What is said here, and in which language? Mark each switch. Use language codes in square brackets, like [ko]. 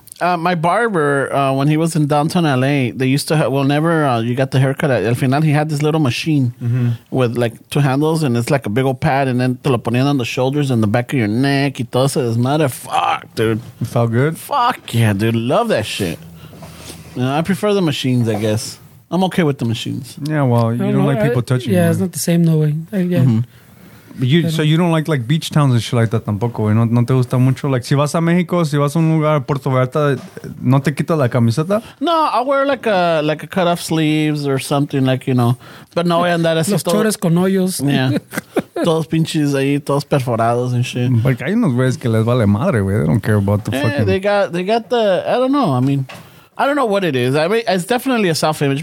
[en] My barber, when he was in downtown LA, they used to have, you got the haircut at El Final, he had this little machine with like two handles and it's like a big old pad and then [es] te lo ponían [en] on the shoulders and the back of your neck [es] y todo eso. [en] Fuck, dude. You felt good? Fuck yeah, dude. Love that shit. You know, I prefer the machines, I guess. I'm okay with the machines. Yeah, well, you don't like people touching you. Yeah, it's not the same, no way. You don't like beach towns and shit like that [es] tampoco, güey. No te gusta mucho. [en] Like, [es] si vas a México, si vas a un lugar, Puerto Vallarta, ¿no te quitas la camiseta? [en] No, I'll wear like a cut off sleeves or something, like, you know. But [es] no voy a andar así. Los chores con hoyos. [en] Yeah. [es] Todos pinches ahí, todos perforados [en] and shit. [es] Porque hay unos güeyes que les vale madre, güey. [en] They don't care about the fucking. They got the. I don't know. I mean, I don't know what it is. I mean, it's definitely a self image.